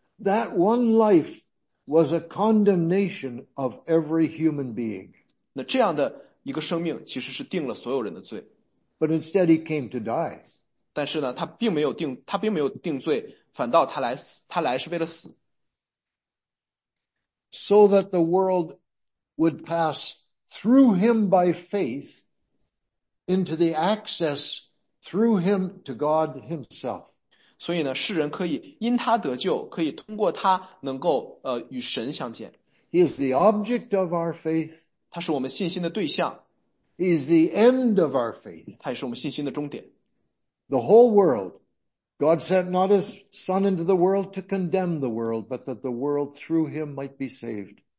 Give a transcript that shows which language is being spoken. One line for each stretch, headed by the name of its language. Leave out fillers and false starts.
English: That one life was a condemnation of every human being.
Chinese: 那这样的一个生命其实是定了所有人的罪。
English: But instead he came to die.
Chinese: 但是呢，他并没有定罪，反倒他来是为了死。
English: So that the world would pass through him by faith into the access through him to God himself.
Chinese: 所以呢，世人可以因他得救，可以通过他能够与神相见。
English: He is the object of our faith.
Chinese: 他是我们信心的对象。
English: He is the end of our faith.
Chinese: 他也是我们信心的终点。
English: The whole world, God sent not his son into the world to condemn the world, but that the world through him might be saved.